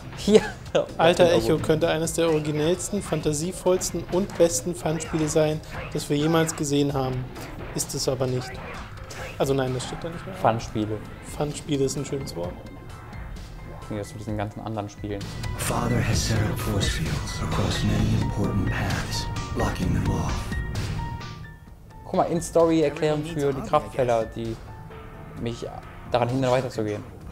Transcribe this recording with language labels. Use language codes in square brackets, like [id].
[de] Ja. Alter Echo könnte eines der originellsten, fantasievollsten und besten Fun-Spiele sein, das wir jemals gesehen haben. Ist es aber nicht. Also nein, das steht da nicht mehr. Fun-Spiele. Fun-Spiele ist ein schönes Wort. Wie das zu diesen ganzen anderen Spielen. [en] Father has set up force fields across many important paths, locking them off. [de] Guck mal, In-Story-Erklärung für die Kraftfeller, die mich daran hindern, weiterzugehen.